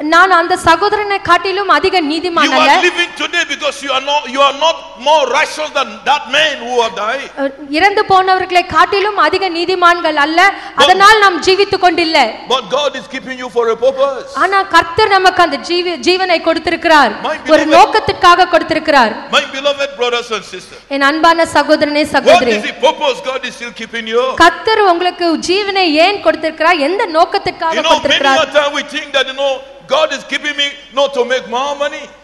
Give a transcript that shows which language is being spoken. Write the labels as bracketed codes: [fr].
[ta] நான் அந்த சகோதரனை காட்டிலும் அதிக நீதிமான் அல்ல. [en] You are living today because you are not more righteous than that man who have died. [ta] இறந்து போனவர்களை காட்டிலும் அதிக நீதிமான்கள் அல்ல. அதனால் நாம் ஜீவித்துக் கொண்டில்லை. [en] But God is keeping you for a purpose. [ta] ஆனால் கர்த்தர் நமக்கு அந்த ஜீவனை கொடுத்திருக்கிறார். ஒரு நோக்கத்துக்காக கொடுத்திருக்கிறார். [en] My beloved brothers and sisters. [ta] என் அன்பான சகோதரனே சகோதரி. [en] What is the purpose God is still keeping you? [ta] கர்த்தர் உங்களுக்கு ஜீவனை ஏன் கொடுத்திருக்கிறார்? எந்த நோக்கத்துக்காக கொடுத்திருக்கிறார்? [en] And we think that, you know, God is keeping me not to make more money.